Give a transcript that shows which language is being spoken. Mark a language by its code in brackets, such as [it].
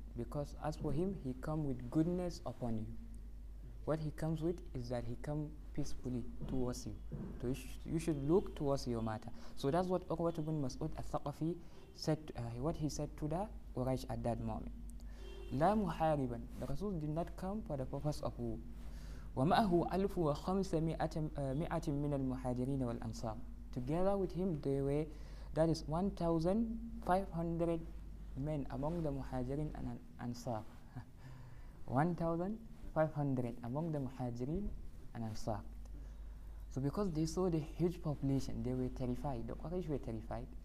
[en] Because as for him, he come with goodness upon you. What he comes with is that he come peacefully towards you. So you should look towards your matter. So that's what Urwat ibn Mas'ud al-Thaqafi said, what he said to the Quraysh at that moment. [ar] لا محاربا. [en] The Rasul did not come for the purpose of war. [ar] ومعه 1500 من المهاجرين والأنصار. [en] Together with him, there were, that is, 1,500 men among the Muhajirin and Ansar. 1,500 among the Muhajirin and Ansar. So because they saw the huge population, they were terrified. The Quraysh were terrified.